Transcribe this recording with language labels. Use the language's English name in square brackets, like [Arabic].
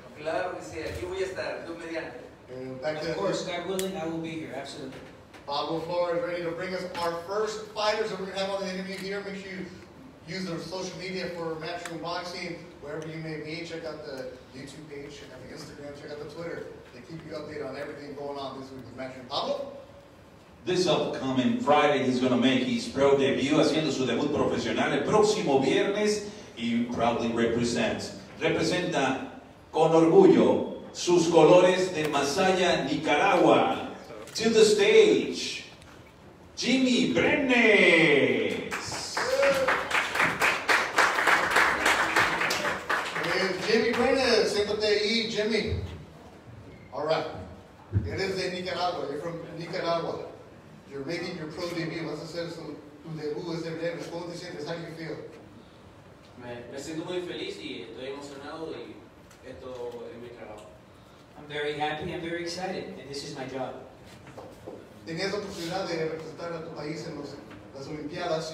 [Spanish] Claro que sí, aquí voy a estar, tú mediante. [English] Of course, God willing, I will be here, absolutely. Pablo Flores ready to bring us our first fighters that we're going to have on the interview here. Make sure you use their social media for Matchroom Boxing. Wherever you may be, check out the YouTube page, check out the Instagram, check out the Twitter. They keep you updated on everything going on this week with Matchroom. Pablo? This upcoming Friday, he's going to make his pro debut, [Spanish] haciendo su debut profesional. El próximo viernes, [English] he proudly [Spanish] representa con orgullo sus colores de Masaya, Nicaragua. [English] To the stage, Jimmy Brenes. [Spanish] Jimmy Brenes, siéntate ahí, Jimmy. [English] All right. [Spanish] Eres de Nicaragua, [English] you're from Nicaragua. You're making your pro debut. [Spanish] Vas a hacer tu debut este viernes. ¿Cómo te sientes? [English] How do you feel? [Spanish] Me siento muy feliz y estoy emocionado y esto es mi trabajo. [English] I'm very happy and very excited, and this is my job. [Spanish] Tenías la oportunidad de representar a tu país en las Olimpiadas.